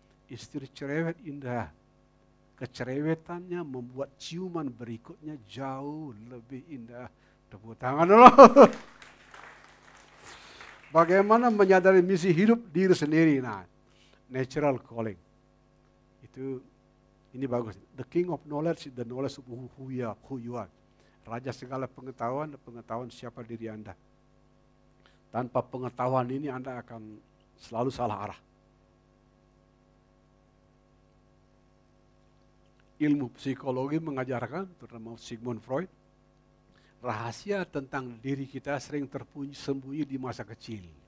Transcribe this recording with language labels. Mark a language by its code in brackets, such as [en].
[id] Istri cerewet indah. Kecerewetannya membuat ciuman berikutnya jauh lebih indah. Tepuk tangan dulu. Bagaimana menyadari misi hidup diri sendiri? Nah, natural calling. Itu... Ini bagus. [en] The king of knowledge, the knowledge of who you are. [id] Raja segala pengetahuan, pengetahuan siapa diri Anda. Tanpa pengetahuan ini Anda akan selalu salah arah. Ilmu psikologi mengajarkan, terutama Sigmund Freud, rahasia tentang diri kita sering tersembunyi di masa kecil.